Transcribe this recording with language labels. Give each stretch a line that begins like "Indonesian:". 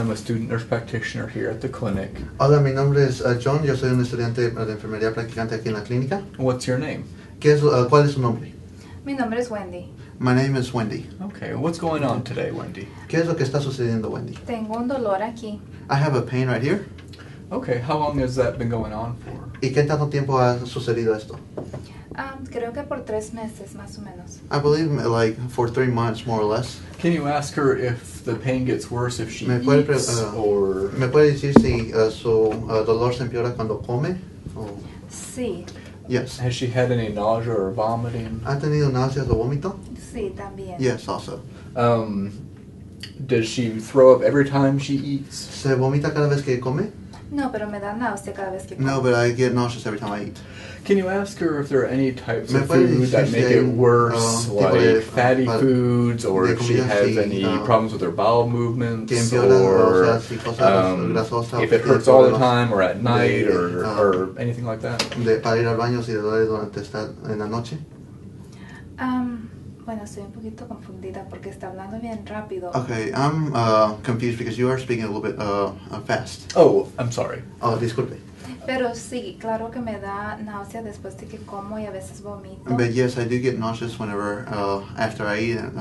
English: I'm a student nurse practitioner here at the clinic.
Spanish: Hola, mi nombre es John. Yo soy un estudiante de enfermería practicante aquí en la clínica.
English: What's your name?
Spanish: ¿Cuál es su nombre? Mi nombre es Wendy.
English: My name is Wendy. Okay, what's going on today, Wendy?
Spanish: ¿Qué es lo que está sucediendo, Wendy? Tengo un dolor aquí.
English: I have a pain right here. Okay, how long has that been going on for?
Spanish: ¿Y qué tanto tiempo ha sucedido esto? Creo que por 3 meses, más o menos.
English: I believe, like, for 3 months, more or less. Can you ask her if the pain gets worse if she eats, or...
Spanish: ¿Me puede decir si su dolor se empeora cuando come? Sí.
English: Yes. Has she had any nausea or vomiting?
Spanish: ¿Ha tenido náuseas o vómito? Sí, también.
English: Yes, also. Does she throw up every time she eats?
Spanish: ¿Se vomita cada vez que come? No, pero me da náusea cada vez que come.
English: No, but I get nauseous every time I eat. Can you ask her if there are any types of food that make it worse, like fatty foods, or if she has any problems with her bowel movements, or if it hurts all the time, or at night, or anything like that?
Spanish: Para ir al baño si le duele durante esta en la noche. Bueno, estoy un poquito confundida porque está hablando bien rápido.
English: Okay, I'm confused because you are speaking a little bit fast. Oh, I'm sorry.
Spanish: Oh, disculpe. Pero sí, claro que me da náusea después de que como y a veces vomito.
English: But yes, I do get nauseous whenever after I eat.